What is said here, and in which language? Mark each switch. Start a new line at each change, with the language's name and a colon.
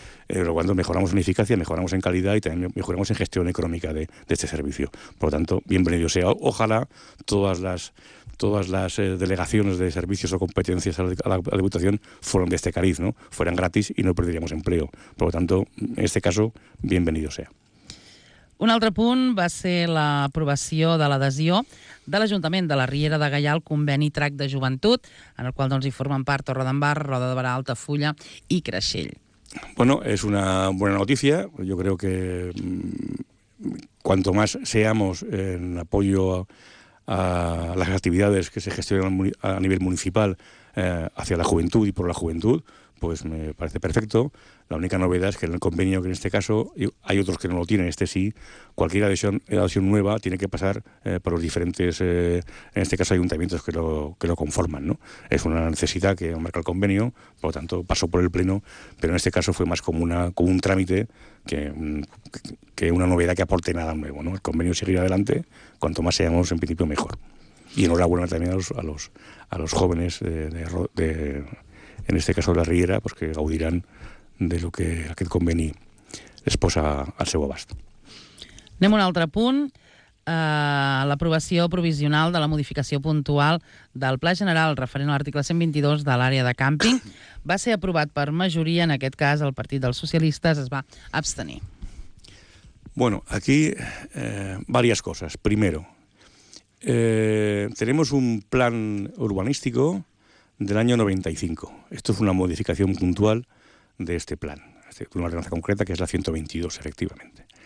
Spanish: Pero cuando mejoramos en eficacia, mejoramos en calidad y también mejoramos en gestión económica de este servicio. Por lo tanto, bienvenido sea. Ojalá todas las delegaciones de servicios o competencias a la Diputación fueran de este cariz, ¿no? Fueran gratis y no perderíamos empleo. Por lo tanto, en este caso, bienvenido sea.
Catalan: Un altre punt va ser l'aprovació de l'adhesió de l'Ajuntament de la Riera de Gaià al conveni TRAC de Joventut, en el qual doncs, hi formen part Torredembarra, Roda de Barà, Altafulla i Creixell.
Spanish: Bueno, es una buena noticia. Yo creo que cuanto más seamos en apoyo a las actividades que se gestionan a nivel municipal hacia la juventud y por la juventud, pues me parece perfecto. La única novedad es que en el convenio, que en este caso hay otros que no lo tienen, este sí, cualquier adhesión nueva tiene que pasar por los diferentes, en este caso, ayuntamientos que lo conforman, ¿no? Es una necesidad que marca el convenio, por lo tanto pasó por el pleno, pero en este caso fue más como un trámite que una novedad que aporte nada nuevo, ¿no? El convenio seguirá adelante, cuanto más seamos, en principio, mejor. Y enhorabuena también a los jóvenes de en este caso de la Riera, pues que gaudirán de lo que
Catalan: aquest conveni es posa al seu abast. Anem a un altre punt, l'aprovació provisional de la modificació puntual del Pla General referent a l'article 122 de l'àrea de càmping. Va ser aprovat per majoria, en aquest cas el Partit dels Socialistes es va abstenir.
Spanish: Bueno, aquí varias cosas. Primero, tenemos un plan urbanístico del año 95. Esto es una modificación puntual de este plan, de una ordenanza concreta que es la 122, efectivamente.